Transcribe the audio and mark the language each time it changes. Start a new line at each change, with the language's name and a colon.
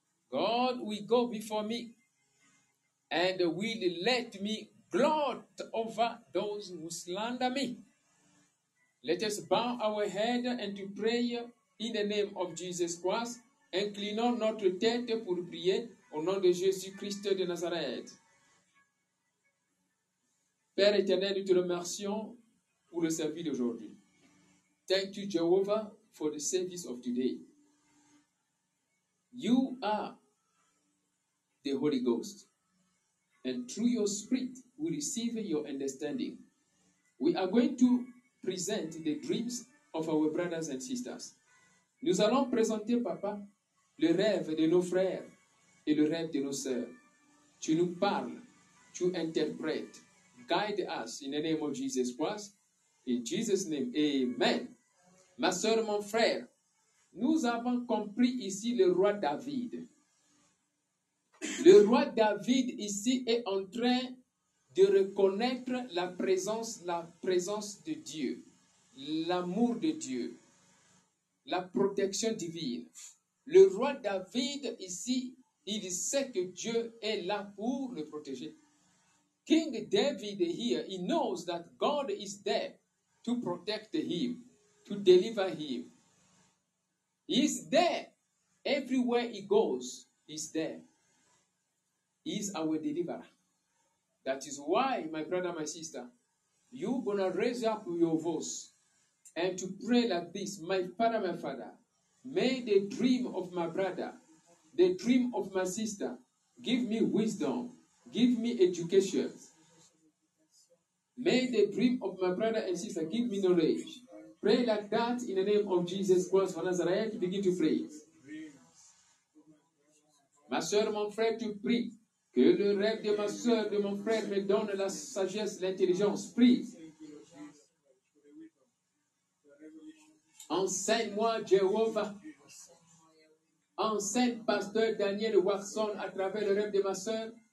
English: God will go before me and will let me gloat over those who slander me. Let us bow our head and to pray in the name of Jesus Christ.
French: Inclinons notre tête pour prier au nom de Jésus-Christ de Nazareth. Père éternel, nous te remercions pour le service d'aujourd'hui.
English: Thank you, Jehovah, for the service of today. You are the Holy Ghost. And through your spirit, we receive your understanding. We are going to present the dreams of our brothers and sisters.
French: Nous allons présenter, Papa, le rêve de nos frères et le rêve de nos sœurs. Tu nous parles, tu interprètes.
English: Guide us in the name of Jesus Christ. In Jesus' name, amen.
French: Ma sœur, mon frère, nous avons compris ici le roi David. Le roi David ici est en train de reconnaître la présence de Dieu, l'amour de Dieu, la protection divine. Le roi David ici, il sait que Dieu est là pour le protéger.
English: King David here, he knows that God is there to protect him, to deliver him. He's there. Everywhere he goes, he's there. He's our deliverer. That is why, my brother, my sister, you're going to raise up your voice and to pray like this. My father, my father, may the dream of my brother, the dream of my sister, give me wisdom, give me education. May the dream of my brother and sister give me knowledge. Pray like that in the name of Jesus Christ of Nazareth. Begin to pray.
French: Ma soeur, mon frère, tu pries. Que le rêve de ma soeur, de mon frère, me donne la sagesse, l'intelligence. Prie. Enseigne-moi, Jéhovah. Enseigne, pasteur Daniel Watson, à travers le rêve de ma soeur.